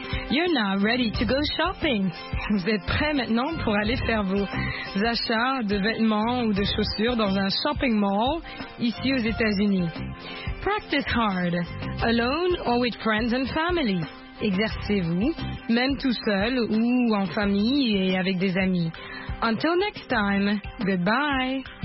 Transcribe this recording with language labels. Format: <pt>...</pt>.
<en>You're now ready to go shopping.</en> <fr>Vous êtes prêt maintenant pour aller faire vos achats de vêtements ou de chaussures dans un shopping mall ici aux États-Unis.</fr> <en>Practice hard, alone or with friends and family.</en> <fr>Exercez-vous, même tout seul ou en famille et avec des amis.</fr> <en>Until next time, goodbye.</en>